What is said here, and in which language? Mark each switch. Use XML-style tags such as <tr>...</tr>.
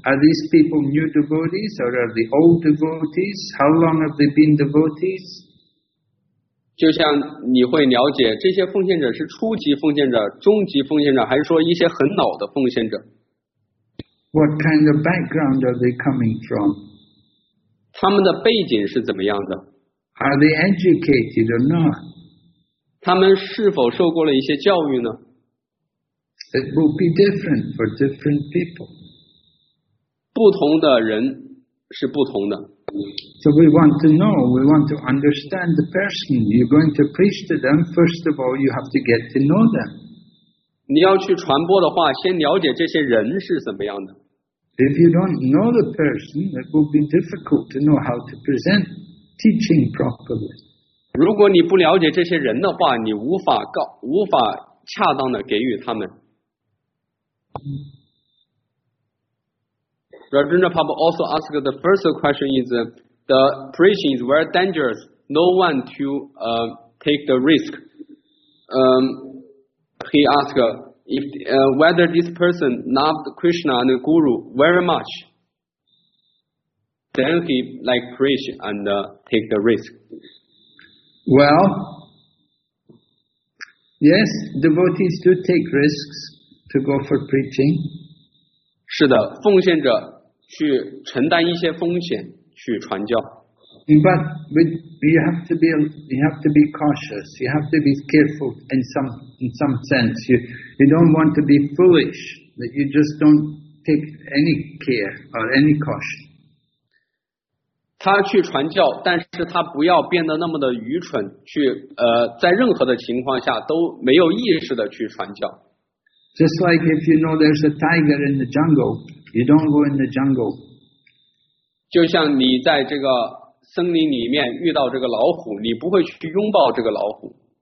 <en>Are these people new devotees or are they old devotees? How long have they been devotees?</en> <zh>就像你会了解这些奉献者是初级奉献者、中级奉献者，还是说一些很老的奉献者？</zh> <en>What kind of background are they coming from?</en> <zh>他们的背景是怎么样的？</zh> <en>Are they educated or not?</en> <zh>他们是否受过了一些教育呢？</zh> <en>It will be different for different people.</en> <zh>不同的人是不同的。</zh> <en>So we want to know, we want to understand the person. You're going to preach to them, first of all, you have to get to know them.</en> <zh>你要去传播的话，先了解这些人是怎么样的。</zh> <en>If you don't know the person, it will be difficult to know how to present teaching properly.</en> <zh>如果你不了解这些人的话，你无法恰当的给予他们。</zh> <en>Rajendra Prabhu also asked the first question is, the preaching is very dangerous, no one to take the risk. He asked whether this person loved Krishna and Guru very much, then he like preach and take the risk. Well, yes, devotees do take risks to go for preaching.</en> <zh>是的，奉献者去承担一些风险去传教。</zh> <en>But you have to be cautious. You have to be careful in some sense. You don't want to be foolish that you just don't take any care or any caution.</en> <zh>他去传教，但是他不要变得那么的愚蠢，去在任何的情况下都没有意识的去传教。</zh> <en>Just like if you know there's a tiger in the jungle. You don't go in the jungle.</en> <zh>就像你在这个森林里面遇到这个老虎，你不会去拥抱这个老虎。</zh>